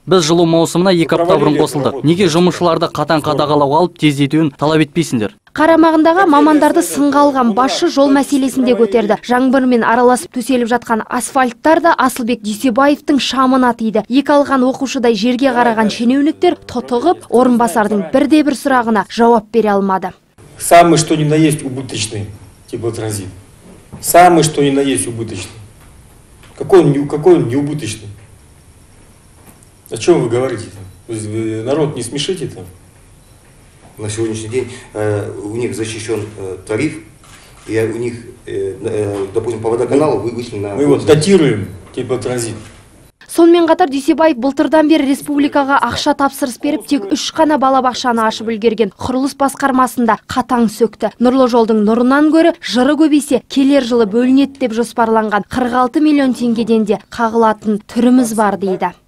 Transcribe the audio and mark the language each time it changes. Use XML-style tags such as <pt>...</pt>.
<kk>Біз жылу маусымына екі апта бұрын қосылдық. Неге жұмысшыларды қатаң қадағалау алып тездетуін талап етпейсіңдер? Қарамағындағы мамандарды сынға алған басшы жол мәселесін де көтерді. Жаңбырмен араласып төселіп жатқан асфальттар да Асылбек Дүйсебаевтың шамына тиді. Екі алған оқушыдай жерге қараған шенеуніктер тотығып, орынбасардың бірде бір сұрағына жауап бере алмады.</kk> <ru>Самый что ни на есть убыточный теплотранзит. Самый что ни на есть убыточный. Какой он не убыточный? О чем вы говорите? Народ не смешите там. На сегодняшний день у них защищен тариф, и у них, допустим, по водоканалу вывышен на... Мы вот датируем теплотранзит.</ru> <kk>Сонымен қатар Дүйсебаев былтырдан бері республикаға ақша тапсырыс беріп, тек үш қана балабақшаны ашып үлгерген. Құрылыс басқармасында қатаң сөкті. Нұрлы жолдың нұрынан көрі жыры көбейсе, келер жылы бөлінеді деп жоспарланған 46 миллион теңгеден де қағылатын түріміз бар дейді.</kk>